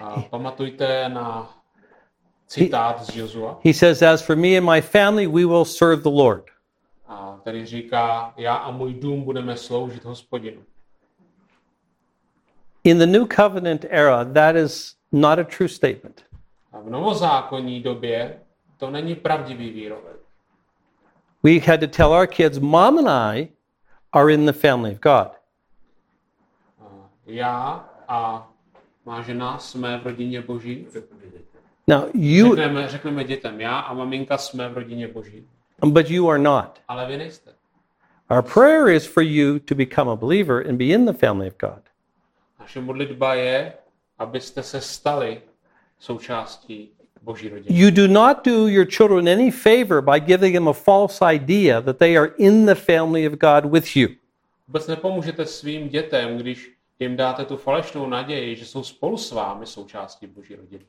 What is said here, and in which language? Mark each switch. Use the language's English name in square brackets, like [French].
[Czech] Pamatujte na citát z Josua. [English] He says, "As for me and my family, we will serve the Lord." [Czech] A tady říká, já a můj dům budeme sloužit Hospodinu. [English] In the New Covenant era, that is not a true statement. [Czech] A v novozákonní době to není pravdivý výrok. [English] We had to tell our kids, "Mom and I are in the family of God." [Czech] Já a má žena jsme v rodině Boží. [English] Now you. [Czech] Řekneme dětem, já a maminka jsme v rodině Boží. [English] But you are not. [Czech] Ale vy nejste. [English] Our prayer is for you to become a believer and be in the family of God. [Czech] Naše modlitba je, abyste se stali součástí. [English] You do not do your children any favor by giving them a false idea that they are in the family of God with you. [Czech] Vůbec nepomůžete svým dětem, když jim dáte tu falešnou naději, že jsou spolu s vámi součástí Boží rodiny.